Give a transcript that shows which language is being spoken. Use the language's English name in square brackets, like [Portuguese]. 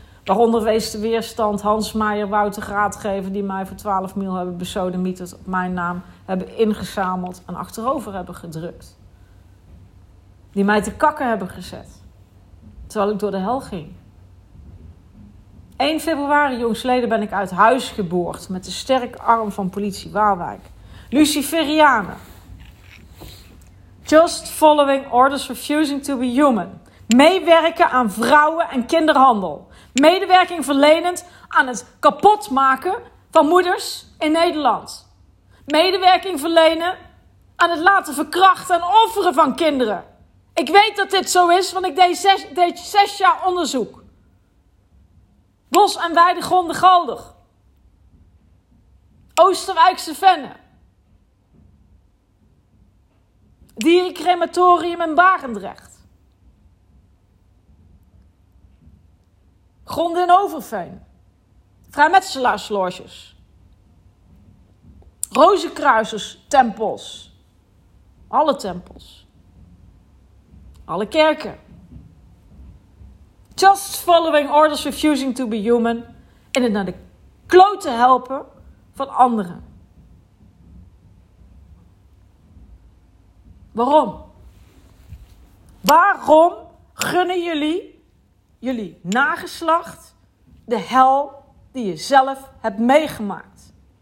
[Dutch] Waaronder Wees de Weerstand, Hans Meijer, Wouter Raadgever, die mij voor 12 mil hebben besodemieterd op mijn naam, hebben ingezameld en achterover hebben gedrukt. Die mij te kakken hebben gezet. Terwijl ik door de hel ging. 1 februari jongsleden ben ik uit huis geboord met de sterke arm van politie Waalwijk. Luciferianen. [English] Just following orders, refusing to be human. [Dutch] Meewerken aan vrouwen- en kinderhandel. Medewerking verlenend aan het kapotmaken van moeders in Nederland. Medewerking verlenen aan het laten verkrachten en offeren van kinderen. Ik weet dat dit zo is, want ik deed zes jaar onderzoek. Bos en Weidegronden Galdig. Oosterwijkse Vennen. Dierencrematorium in Barendrecht. Gronden in Overveen. Vrijmetselaarsloges. Rozenkruisers tempels. Alle tempels. Alle kerken. [English] Just following orders, refusing to be human. [Dutch] En het naar de klote helpen van anderen. Waarom? Waarom gunnen jullie nageslacht de hel die je zelf hebt meegemaakt?